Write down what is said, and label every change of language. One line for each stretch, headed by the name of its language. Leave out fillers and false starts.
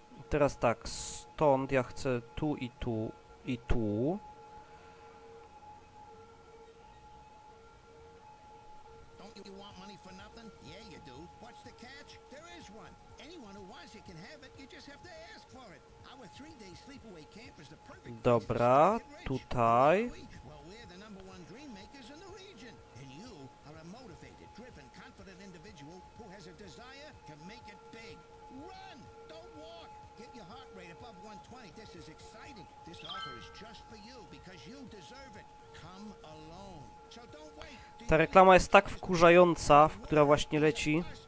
Polish: Teraz tak, stąd ja chcę tu i tu i tu.
English: Don't you want money for nothing? Yeah, you do. What's the catch? There is one. Anyone who wants it can have it. You just have to ask for it. Our 3-day sleepaway camp is the perfect.
Polish: Dobra, tutaj.
English: Well, we're the number one dream makers in the region. And you are a motivated, driven, confident individual who has a desire to make it big. Run! Don't walk! Get your heart rate above 120. This is exciting. This offer is just for you because you deserve it. Come alone. So don't wait.
Polish: Ta reklama jest tak wkurzająca, która właśnie leci.